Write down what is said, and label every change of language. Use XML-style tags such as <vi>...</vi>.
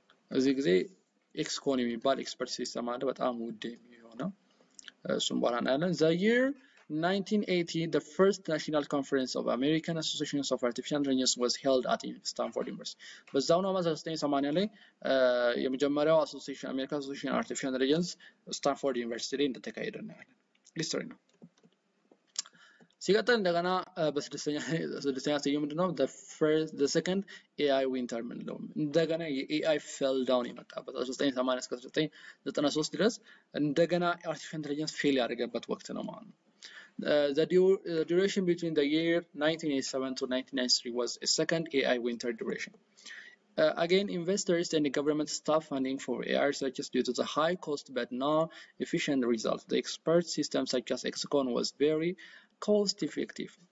<am>እዚህ ጊዜ ኤክስኮን የሚባል expert system አለ በጣም ውድ የሚሆነው እሱም በኋላ ነው ያለን።</am> <en>the year 1980 the first national conference of American Association of Artificial Intelligence was held at Stanford University.</en> <am>በዛውን አመት 1980 ላይ የመጀመሪያው አሶሲሽን አሜሪካን አሶሲሽን ኦፍ አርቲፊሻል ኢንተለጀንስ ስታንፎርድ ዩኒቨርሲቲ ላይ እንደተካሄደ ነው ያለው። ሊስተር ነው ሲቀጥል እንደገና በስድስተኛ ስዩ ምንድነው</am> <en>the second AI winter</en> <am>ምን ነው እንደገና የAI fell down የመጣበት 1980 እስከ 1993 ድረስ እንደገና አርቲፊሻል ኢንተለጀንስ ፌል ያደረገበት ወቅት ነው ማለት ነው።</am> <en>The duration between the year 1987 to 1993 was a second AI winter duration. Again, investors and the government stopped funding for AI research due to the high cost but not efficient results. The expert system such as Exacon was very cost effective.</en>